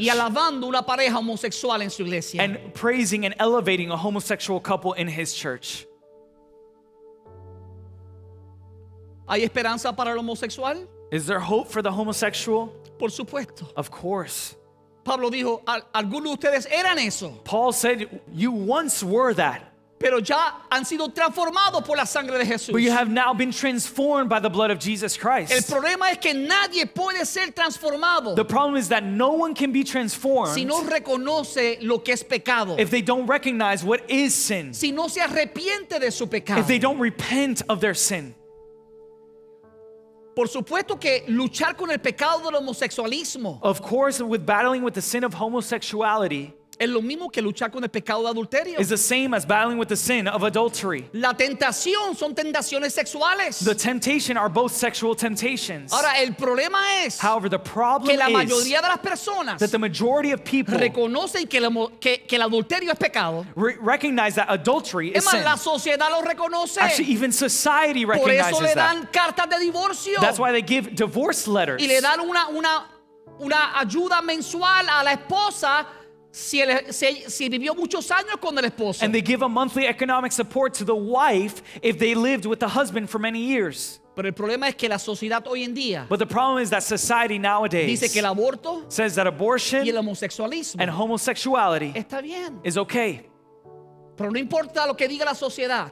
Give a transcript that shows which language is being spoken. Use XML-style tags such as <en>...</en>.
<es>y alabando una pareja homosexual en su iglesia,</es> <en>and praising and elevating a homosexual couple in his church.</en> <es>¿Hay esperanza para el homosexual?</es> <en>Is there hope for the homosexual?</en> <es>Por supuesto.</es> <en>Of course.</en> <es>Pablo dijo, algunos de ustedes eran eso.</es> <en>Paul said, you once were that.</en> <es>Pero ya han sido transformados por la sangre de Jesús.</es> <en>But you have now been transformed by the blood of Jesus Christ.</en> <es>El problema es que nadie puede ser transformado.</es> <en>The problem is that no one can be transformed.</en> <es>Si no reconoce lo que es pecado.</es> <en>If they don't recognize what is sin.</en> <es>Si no se arrepiente de su pecado.</es> <en>If they don't repent of their sin.</en> <es>Por supuesto que luchar con el pecado del homosexualismo.</es> <en>Of course, with battling with the sin of homosexuality.</en> <es>Es lo mismo que luchar con el pecado de adulterio.</es> <en>It's the same as battling with the sin of adultery.</en> <es>La tentación son tentaciones sexuales.</es> <en>The temptation are both sexual temptations.</en> <es>Ahora el problema es,</es> <en>however, the problem</en> <es>que la mayoría de las personas,</es> <en>that the majority of people,</en> <es>reconocen que el adulterio es pecado.</es> <en>Recognize that adultery is sin.</en> <es>La sociedad lo reconoce.</es> <en>Actually, even society recognizes that.</en> <es>Por eso le dan cartas de divorcio.</es> <en>That's why they give divorce letters.</en> <es>Y le dan una ayuda mensual a la esposa. Si vivió muchos años con el esposo.</es> <en>And they give a monthly economic support to the wife if they lived with the husband for many years.</en> <es>Pero el problema es que la sociedad hoy en día,</es> <en>but the problem is that society nowadays,</en> <es>dice que el aborto,</es> <en>says that abortion</en> <es>y el homosexualismo,</es> <en>and homosexuality,</en> <es>está bien,</es> <en>is okay.</en> <es>Pero no importa lo que diga la sociedad.</es>